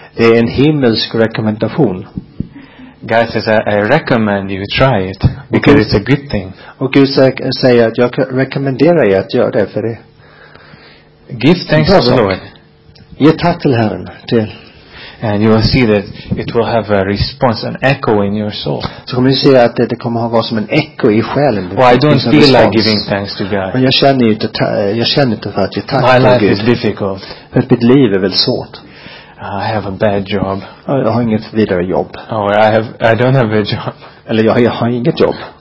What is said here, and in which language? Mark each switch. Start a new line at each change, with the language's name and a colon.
Swedish: Det är en himmelsk rekommendation.
English: God says, I recommend you try it because it's a good thing.
Swedish: Och Gud säger att jag rekommenderar er att göra det för det.
English: Give thanks to the Lord.
Swedish: Ge tack till Herren.
English: And you will see that it will have a response, an echo in your soul.
Swedish: Så kommer du se att det kommer ha varit som en echo i själen.
English: Well, I don't feel like giving thanks to God.
Swedish: Men jag känner inte för att jag tackar Gud.
English: My life is difficult.
Swedish: För mitt liv är väl svårt.
English: I have a bad job.
Swedish: Jag har inget vidare jobb.
English: Oh, I don't have a job.
Swedish: Eller jag har inget jobb.